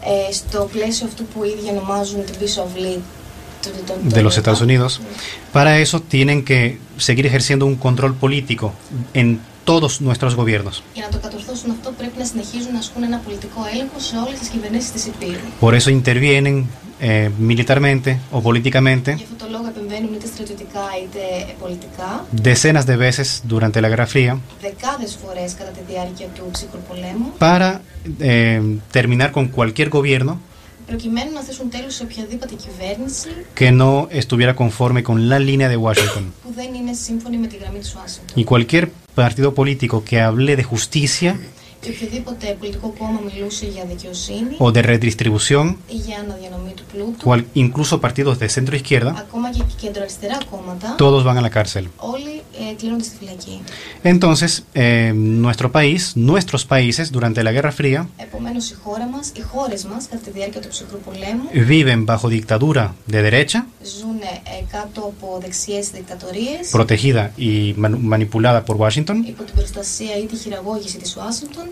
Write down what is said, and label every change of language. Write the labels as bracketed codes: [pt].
[el] στο πλαίσιο αυτού που ήδη ονομάζουν την πίσω αυλή [es] de los Estados Unidos. Para eso tienen que seguir ejerciendo un control político en todos nuestros gobiernos. [el] Για να το κατορθώσουν αυτό πρέπει να συνεχίζουν να ασκούν ένα πολιτικό έλεγχο σε όλες τις κυβερνήσεις της Υπήρου. [es] Por eso intervienen militarmente o políticamente. [el] Για αυτό το λόγο επεμβαίνουν είτε στρατιωτικά είτε πολιτικά. [es] Decenas de veces durante la Guerra Fría. [el] Δεκάδες φορές κατά τη διάρκεια του ψυχρού πολέμου. [es] Para terminar con cualquier gobierno. [el] Προκειμένου να θέσουν τέλος σε οποιαδήποτε κυβέρνηση. [es] Que no estuviera conforme con la línea de Washington. [el] Που δεν είναι σύμφωνη με τη γραμμή της Ουάσιγκτον. [es] Y cualquier partido político que hable de justicia. [el] Και οποιοδήποτε πολιτικό κόμμα μιλούσε για δικαιοσύνη. [es] O de redistribución. [el] Ή για αναδιανομή του πλούτου. [es] Cual, incluso partidos de centro izquierda. [el] Ακόμα και κεντροαριστερά κόμματα. [es] Todos van a la cárcel. [el] Όλοι κλείνονται στη φυλακή. [es] Entonces, nuestro país, nuestros países, durante la Guerra Fría. [el] Επομένως, η χώρα μας, οι χώρες μας, κατά τη διάρκεια του ψυχρού πολέμου. [es] Viven bajo dictadura de derecha. [el] Ζουν κάτω από δεξιές δικτατορίες. [es] Protegida y manipulada por Washington. [el] Υπό την προστασία ή τη χειραγώγηση της Ουάσιγκτον.